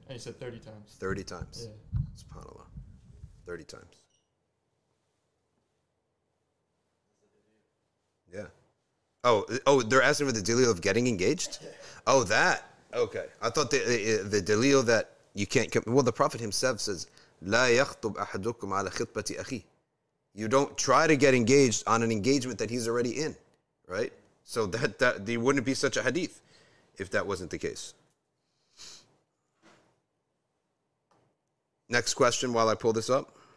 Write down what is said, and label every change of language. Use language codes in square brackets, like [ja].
[en] And he said 30 times. 30 times. Yeah. SubhanAllah. 30 times. Yeah. Oh, they're asking for the dalil of getting engaged? Yeah. Oh, that. Okay. I thought the dalil that you can't come. Well, the Prophet himself says, [ar] لا يخطب أحدكم على خطبة أخي. [en] You don't try to get engaged on an engagement that he's already in, right? So that there wouldn't be such a hadith if that wasn't the case. Next question while I pull this up.